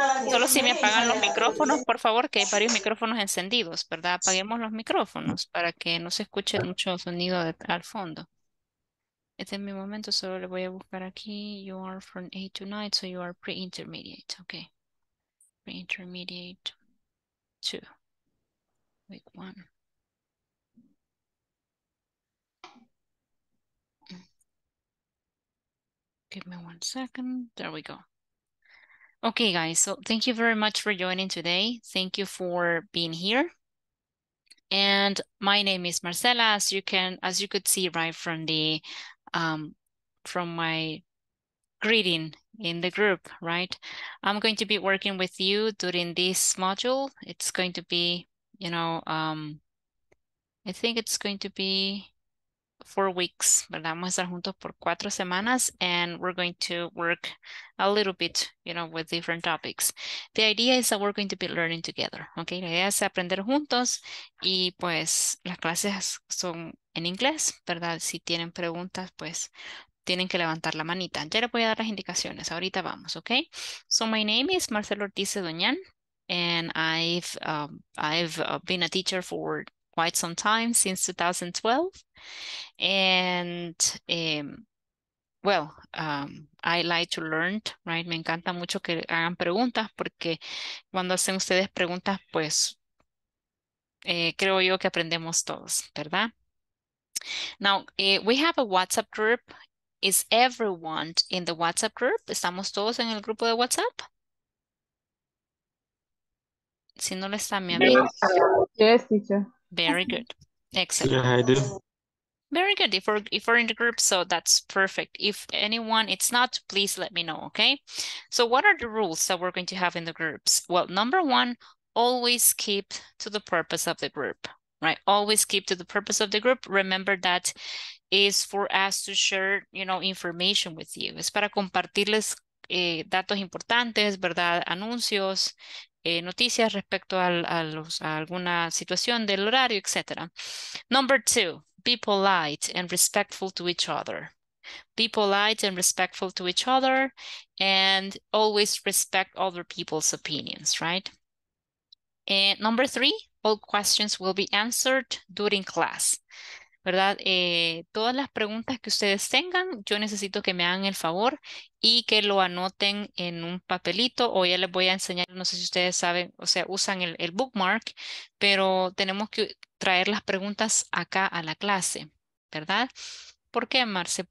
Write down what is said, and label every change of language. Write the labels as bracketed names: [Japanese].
[Spanish] Solo si me apagan los micrófonos, por favor, que hay varios micrófonos encendidos, ¿verdad? Apaguemos los micrófonos para que no se escuche mucho sonido de, al fondo. Este es mi momento, solo le voy a buscar aquí. [English] You are from 8 to 9, so you are pre-intermediate, ok. Pre-intermediate 2. Week 1. Give me one second. There we go. Okay, guys. So thank you very much for joining today. Thank you for being here. And my name is Marcela. As you could see right from the from my greeting in the group, right? I'm going to be working with you during this module. It's going to be, you know, I think it's going to be 4 weeks, ¿verdad? [Spanish] Vamos a estar juntos por 4 semanas [English] and we're going to work a little bit, you know, with different topics. The idea is that we're going to be learning together, ¿ok? [Spanish] La idea es aprender juntos y pues las clases son en inglés, ¿verdad? Si tienen preguntas, pues tienen que levantar la manita. Ya les voy a dar las indicaciones, ahorita vamos, ¿ok? [English] So my name is Marcelo Ortiz Doñán and I've been a teacher for quite some time, since 2012. And I like to learn, right? [Spanish] Me encanta mucho que hagan preguntas porque cuando hacen ustedes preguntas, pues creo yo que aprendemos todos, ¿verdad? [English] Now, we have a WhatsApp group. Is everyone in the WhatsApp group? [Spanish] ¿Estamos todos en el grupo de WhatsApp? Si no, le está mi amigo. [English] Yes, teacher. Very good. Excellent. Yeah, I do. Very good. If we're in the group, so that's perfect. If anyone, it's not, please let me know, okay? So what are the rules that we're going to have in the groups? Well, number one, always keep to the purpose of the group, right? Always keep to the purpose of the group. Remember that is for us to share, you know, information with you. [Spanish] Es para compartirles datos importantes, ¿verdad? Anuncios. Noticias respecto a alguna situación del horario, etc. [English] Number two, be polite and respectful to each other. Be polite and respectful to each other and always respect other people's opinions, right? And number three, all questions will be answered during class. [Spanish] ¿Verdad? Todas las preguntas que ustedes tengan, yo necesito que me hagan el favor y que lo anoten en un papelito o ya les voy a enseñar, no sé si ustedes saben, o sea, usan el bookmark, pero tenemos que traer las preguntas acá a la clase, ¿verdad? ¿Por qué, Marce?